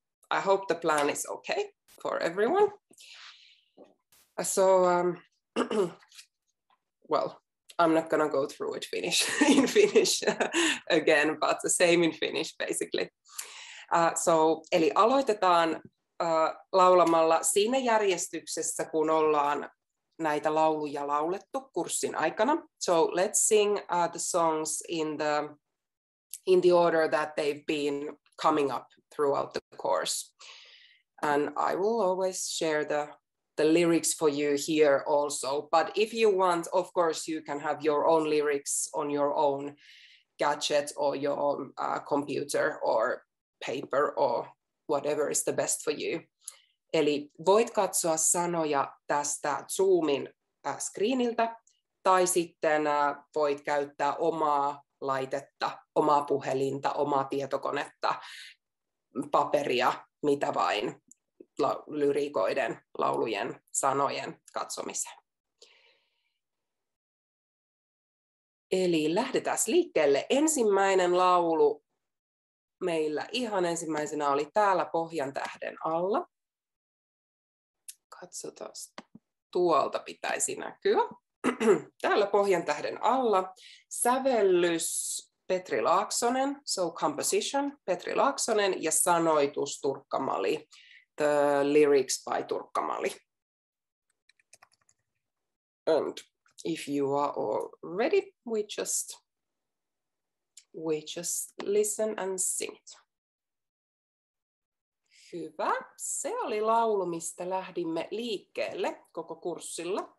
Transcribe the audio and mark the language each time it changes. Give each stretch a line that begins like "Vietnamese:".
English: I hope the plan is okay for everyone. So, well, I'm not gonna go through it in Finnish again, but the same in Finnish basically.
Finnish: Eli aloitetaan laulamalla siinä järjestyksessä, kun ollaan näitä lauluja laulettu kurssin aikana.
English: So let's sing the songs in the order that they've been coming up throughout the course. And I will always share the lyrics for you here also. But if you want, of course, you can have your own lyrics on your own gadget or your computer or paper or whatever is the best for you.
Finnish: Eli voit katsoa sanoja tästä Zoomin screeniltä tai sitten voit käyttää omaa laitetta, omaa puhelinta, omaa tietokonetta, paperia, mitä vain lyrikoiden, laulujen, sanojen katsomiseen. Eli lähdetään liikkeelle. Ensimmäinen laulu meillä ihan ensimmäisenä oli täällä Pohjan tähden alla. Katsotaan, tuolta pitäisi näkyä. Täällä Pohjan tähden alla.
English: Sävellys Petri Laaksonen, so composition Petri Laaksonen,
Finnish: ja sanoitus
English: Turkkamali, the lyrics by Turkkamali. And if you are all ready, we just listen and sing it.
Finnish: Hyvä. Se oli laulu, mistä lähdimme liikkeelle koko kurssilla.